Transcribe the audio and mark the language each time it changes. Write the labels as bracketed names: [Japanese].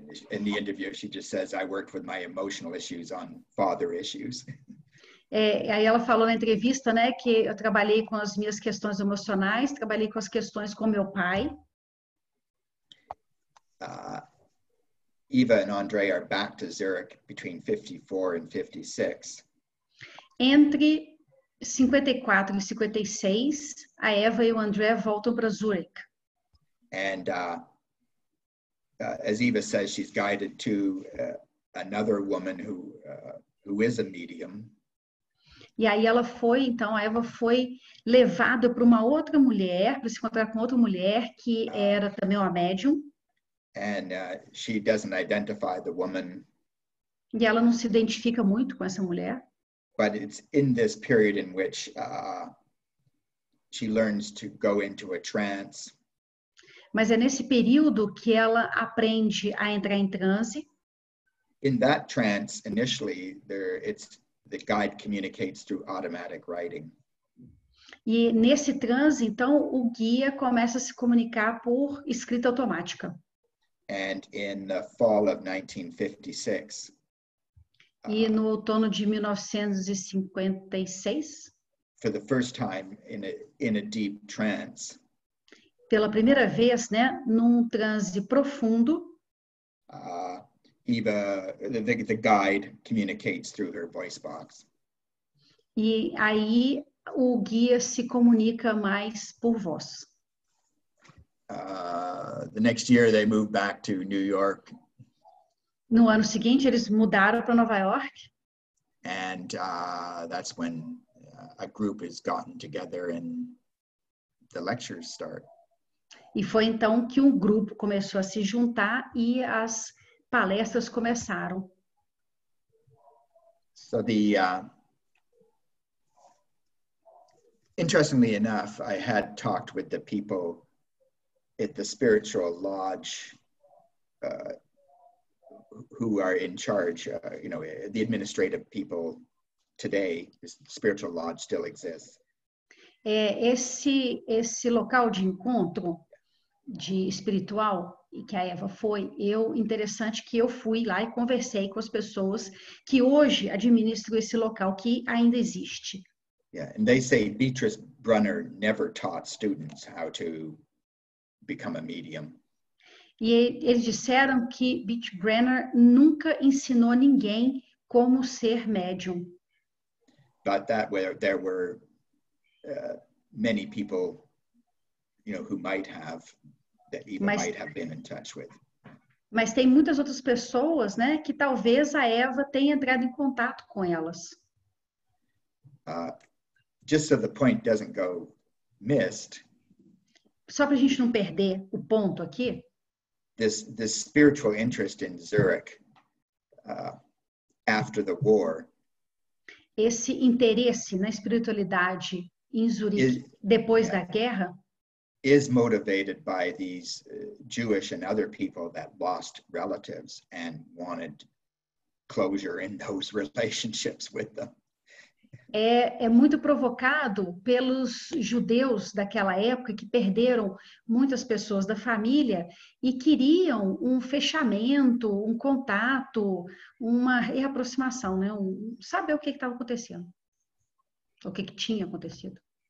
[English] In the interview she just says I worked with my emotional issues on father issues. [Portuguese] Aí ela falou na entrevista, né, que eu trabalhei com as minhas questões emocionais, trabalhei com as questões com meu pai. [English] Eva and André are back to Zurich between 54 and 56. [Portuguese] Entre 54 e 56, a Eva e o André voltam para Zurich. [English] And as Eva says, she's guided to another woman who is a medium. [Portuguese] E aí ela foi, então a Eva foi levada para uma outra mulher, para se encontrar com outra mulher que era também uma médium. [English] And she doesn't identify the woman. [Portuguese] E ela não se identifica muito com essa mulher. [English] But it's in this period in which she learns to go into a trance. [Portuguese] Mas é nesse período que ela aprende a entrar em transe. [English] In that trance, initially, the guide communicates through automatic writing. [Portuguese] E nesse transe, então, o guia começa a se comunicar por escrita automática. [English] And in the fall of 1956. [Portuguese] E no outono de 1956. [English] For the first time in a deep trance. [Portuguese] Pela primeira vez, né, num transe profundo. [English] Eva, the guide communicates through her voice box. [Portuguese] E aí o guia se comunica mais por voz. [English] The next year they moved back to New York. [Portuguese] No ano seguinte eles mudaram para Nova York. [English] And that's when a group is gotten together and the lectures start. [Portuguese] E foi então que um grupo começou a se juntar e as palestras começaram. [English] So the interestingly enough, I had talked with the people at the spiritual lodge who are in charge, you know, the administrative people today, the spiritual lodge still exists. [Portuguese] Esse local de encontro de espiritual que a Eva foi, eu interessante que eu fui lá e conversei com as pessoas que hoje administram esse local que ainda existe. [English] Yeah, and they say Beatrice Brunner never taught students how to become a medium. [Portuguese] E eles disseram que Beatrice Brunner nunca ensinou ninguém como ser médium. [English] But that where there were many people, you know, who might have, that Eva might have been in touch with. [Portuguese] Mas tem muitas outras pessoas, né, que talvez a Eva tenha entrado em contato com elas. [English] Just so the point doesn't go missed. [Portuguese] Só para a gente não perder o ponto aqui. [English] This spiritual interest in Zurich after the war. [Portuguese] Esse interesse na espiritualidade em Zurich depois da guerra. [English] Is motivated by these Jewish and other people that lost relatives and wanted closure in those relationships with them. [Portuguese] É muito provocado pelos judeus daquela época que perderam muitas pessoas da família e queriam um fechamento, um contato, uma reaproximação, né? Saber o que estava acontecendo, o que tinha acontecido.